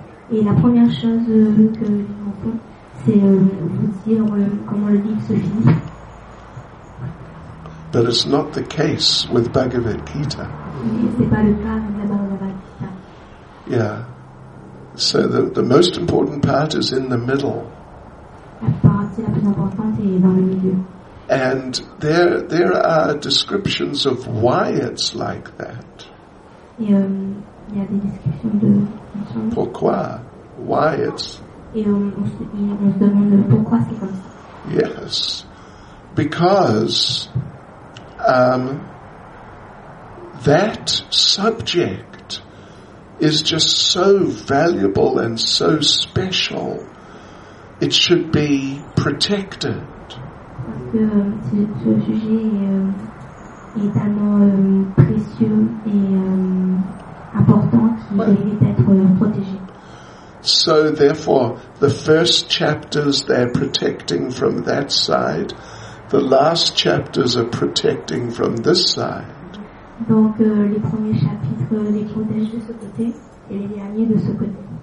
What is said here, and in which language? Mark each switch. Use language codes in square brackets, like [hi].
[fr] Et la première chose que nous faisons, c'est vous dire comment le livre se finit. [en] But it's not the case with Bhagavad Gita. [fr] Mais c'est pas le cas avec la Bhagavad Gita. [en] Yeah. So the most important part is in the middle. [fr] La partie la plus importante est dans le milieu. [en] And there are descriptions of why it's like that. [fr] Il y a des descriptions de pourquoi? [en] Why it's... [fr] Et on se demande pourquoi c'est comme ça. [en] Yes. Because that subject is just so valuable and so special. It should be protected. [fr] Parce que ce sujet est tellement précieux et important qu'il mérite d'être protégé. [en] So therefore, the first chapters they're protecting from that side, the last chapters are protecting from this side. [fr] Donc les premiers chapitres les protègent de ce côté et les derniers de ce côté.